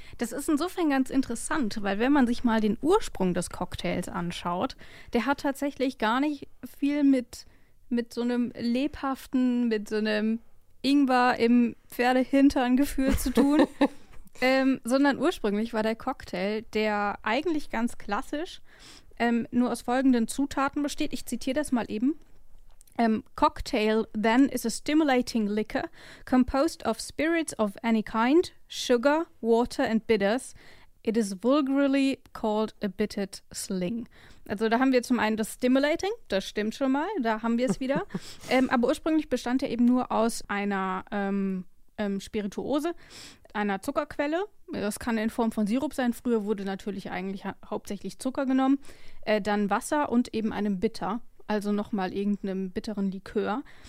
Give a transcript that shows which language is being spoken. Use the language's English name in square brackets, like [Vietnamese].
[German] Das ist insofern ganz interessant, weil wenn man sich mal den Ursprung des Cocktails anschaut, der hat tatsächlich gar nicht viel mit so einem lebhaften, mit so einem Ingwer im Pferdehintern-Gefühl zu tun. sondern ursprünglich war der Cocktail, der eigentlich ganz klassisch nur aus folgenden Zutaten besteht. Ich zitiere das mal eben. [English] Cocktail then is a stimulating liquor composed of spirits of any kind, sugar, water and bitters. It is vulgarly called a bittered sling. [German] Also da haben wir zum einen das Stimulating, das stimmt schon mal, da haben wir es wieder. aber ursprünglich bestand er eben nur aus einer Spirituose, einer Zuckerquelle. Das kann in Form von Sirup sein. Früher wurde natürlich eigentlich hauptsächlich Zucker genommen. Dann Wasser und eben einem Bitter. Also nochmal irgendeinem bitteren Likör.